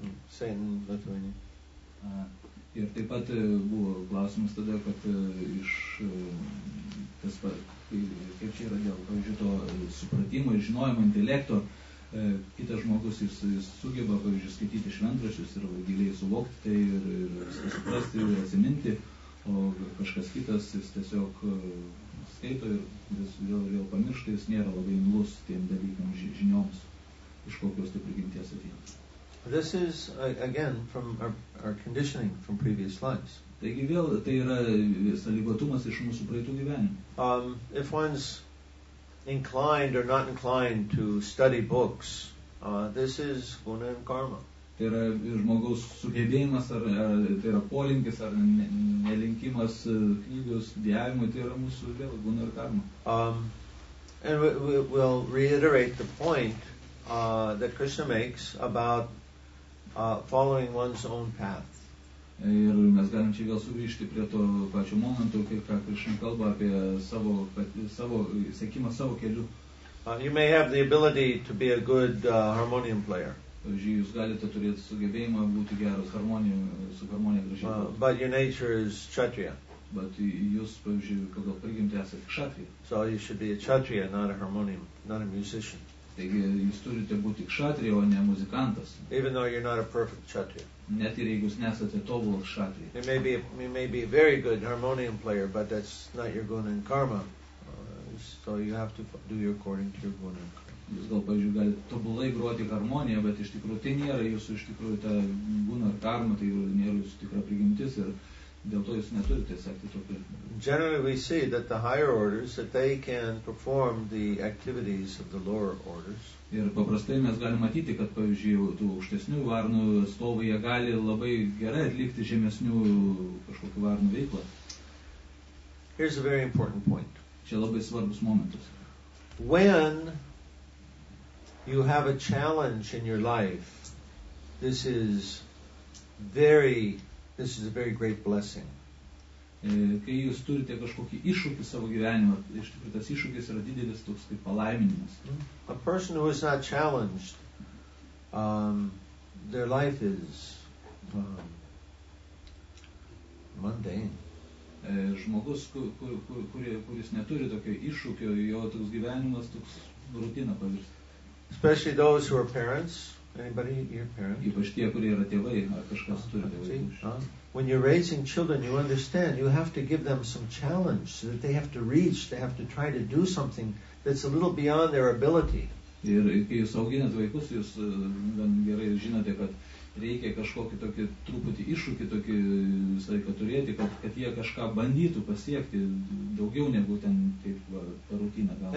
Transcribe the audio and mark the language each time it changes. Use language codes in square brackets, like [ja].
[en] Same in Lithuania. [lt] Ir taip pat buvo klausimas tada, kad iš tas pat, kaip čia yra dėl, pavyzdžiui, to supratimo ir žinojimo intelekto, kitas žmogus jis sugeba, pavyzdžiui, skaityti šventraščius ir giliai suvokti tai ir suprasti ir atsiminti, o kažkas kitas jis tiesiog skaito ir vėl pamiršta, jis nėra labai imlus tiem dalykams žinioms, iš kokios taip prigimties atėjo. [en] This is again from our conditioning from previous lives. [lt] Taigi vėl tai yra sąlygotumas iš mūsų praeitų gyvenimų. [en] If one's inclined or not inclined to study books, this is guna and karma. [lt] Tai yra žmogaus sugebėjimas ar tai yra polinkis ar nelinkimas knygų studijavimui, tai yra mūsų vėl guna ir karma. [en] And we'll reiterate the point that Krishna makes about following one's own path. [lt] Ir mes galim čia vėl sugrįžti prie to pačio momento, kai ką Krishna kalba apie savo sekimą savo keliu. [en] You may have the ability to be a good harmonium player. [lt] Jūs galite turėti sugebėjimą būti geras su harmonija gražiai. [en] But your nature is kshatriya. [lt] But jūs, pavyzdžiui, pagal prigimtį esate kshatriya. [en] So you should be a kshatriya, not a harmonium, not a musician. [lt] Taigi jūs turite būti kšatrija, o ne muzikantas. [en] Even though you're not a perfect kshatriya. [lt] Net ir jeigu jūs nesate tobulas kšatrija. [en] You may be a very good harmonium player, but that's not your guna and karma. So you have to do your according to your guna and karma. [lt] Jūs gal, pavyzdžiui, galite tobulai groti harmoniją, bet iš tikrųjų tai nėra jūsų iš tikrųjų ta guna ar karma, tai nėra jūsų tikra prigimtis ir dėl to jūs neturite sekti tokį. [en] Generally we see that the higher orders, that they can perform the activities of the lower orders. [lt] Ir paprastai mes galime matyti, kad, pavyzdžiui, tų aukštesnių varnų stovų jie gali labai gerai atlikti žemesnių kažkokių varnų veiklą. [en] Here's a very important point. [lt] Čia labai svarbus momentas. [en] When you have a challenge in your life, this is a very great blessing. [lt] Kai jūs turite kažkokį iššūkį savo gyvenimą, iš tikrųjų tas iššūkis yra didelis toks kaip palaiminimas. [en] A person who is not challenged, their life is mundane. [lt] Žmogus, kuris neturi tokio iššūkio, jo toks gyvenimas toks rutina pavirsta. [en] Especially those who are parents. Anybody, your parent? [lt] Ypač tie, kurie yra tėvai, ar kažkas turi tėvai. [en] When you're raising children, you understand you have to give them some challenge so that they have to reach, they have to try to do something that's a little beyond their ability. [lt] Ir kai jūs auginat vaikus, jūs gerai žinote, kad reikia kažkokį tokį truputį iššūkį tokį visą laiką turėti, kad, kad jie kažką bandytų pasiekti daugiau negu ten taip per rutiną gal.